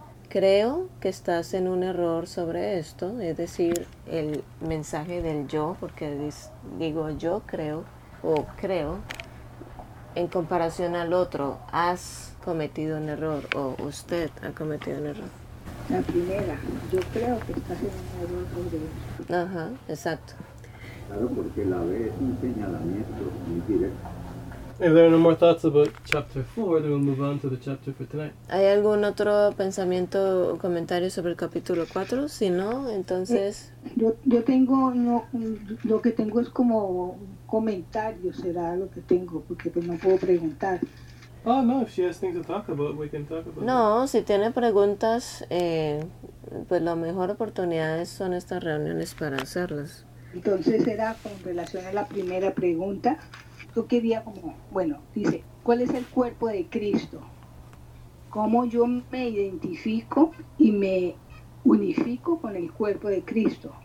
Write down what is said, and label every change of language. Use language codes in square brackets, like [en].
[es] Creo que estás en un error sobre esto, es decir, el mensaje del yo, porque digo yo creo o creo, en comparación al otro, has cometido un error o usted ha cometido un error. La primera, yo creo que estás en un error sobre eso. Ajá, exacto. Claro, porque la B es un señalamiento muy directo. [en] If there are no more thoughts about chapter 4, then we'll move on to the chapter for tonight. [es] ¿Hay algún otro pensamiento o comentario sobre el capítulo 4? Si no, entonces... Yo tengo... No, lo que tengo es como comentario, será lo que tengo, porque pues no puedo preguntar. [en] Oh, no, if she has things to talk about, we can talk about it. No, that. [es] Si tiene preguntas, pues la mejor oportunidad son estas reuniones para hacerlas. Entonces será con relación a la primera pregunta... Yo quería como, bueno, dice, ¿cuál es el cuerpo de Cristo? ¿Cómo yo me identifico y me unifico con el cuerpo de Cristo?